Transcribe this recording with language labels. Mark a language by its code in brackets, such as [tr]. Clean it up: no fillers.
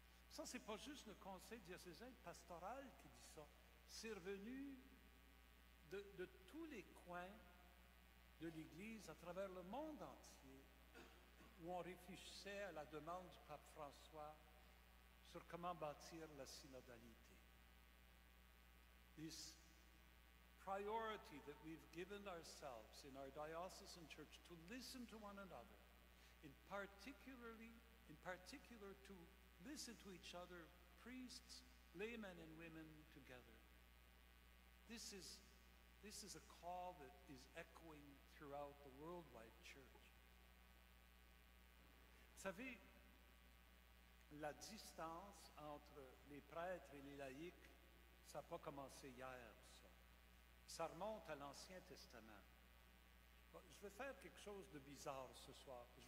[fr] Ça, c'est pas juste le conseil diocésain pastoral qui dit ça. C'est revenu de tous les coins de l'Église à travers le monde entier où on réfléchissait à la demande du pape François sur comment bâtir la synodalité. [en] This priority that we've given ourselves in our diocesan church to listen to one another, in particular to listen to each other, priests, laymen and women together. This is a call that is echoing throughout the worldwide church. [fr] Vous savez, la distance entre les prêtres et les laïcs, ça n'a pas commencé hier, ça. Ça remonte à l'Ancien Testament. Bon, je veux faire quelque chose de bizarre ce soir.